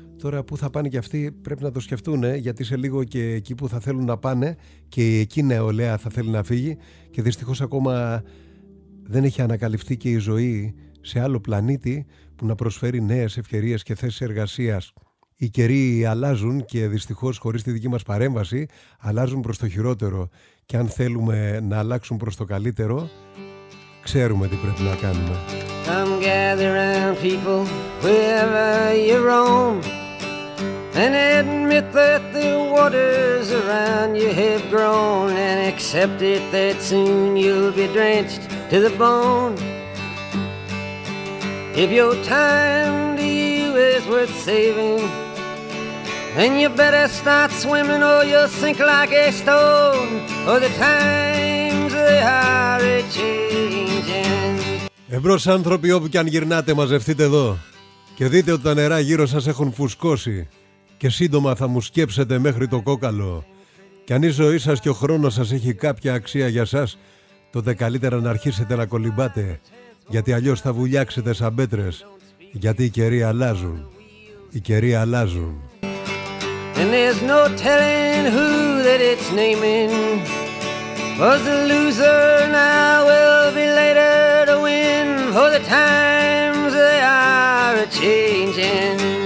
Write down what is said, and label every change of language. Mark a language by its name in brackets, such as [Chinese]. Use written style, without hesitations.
[Greek] Τώρα πού θα πάνε και αυτοί πρέπει να το σκεφτούν, γιατί σε λίγο και εκεί που θα θέλουν να πάνε και εκεί νεολαία θα θέλει να φύγει και δυστυχώς ακόμα δεν έχει ανακαλυφθεί και η ζωή σε άλλο πλανήτη που να προσφέρει νέες ευκαιρίες και θέσεις εργασίας. Οι καιροί αλλάζουν και δυστυχώς χωρίς τη δική μας παρέμβαση αλλάζουν προς το χειρότερο και αν θέλουμε να αλλάξουν προς το καλύτερο ξέρουμε τι πρέπει να κάνουμε. [English] Come gather around people wherever you roam and admit that the waters around you have grown and accept it that soon you'll be drenched to the bone. If your time to you is worth saving, then you better start swimming or you'll sink like a stone. Or the times they are a-changing. [Greek] Εμπρός άνθρωποι, όπου κι αν γυρνάτε μαζευτείτε εδώ και δείτε ότι τα νερά γύρω σας έχουν φουσκώσει και σύντομα θα μου σκέψετε μέχρι το κόκαλο. Κι αν η ζωή σας και ο χρόνος σας έχει κάποια αξία για σας, τότε καλύτερα να αρχίσετε να κολυμπάτε, γιατί αλλιώς θα βουλιάξετε σαν πέτρες, γιατί οι καιροί αλλάζουν. Οι καιροί αλλάζουν. [English] And there's no telling who that it's naming. Was the loser now will be later to win. For the times they are a-changing.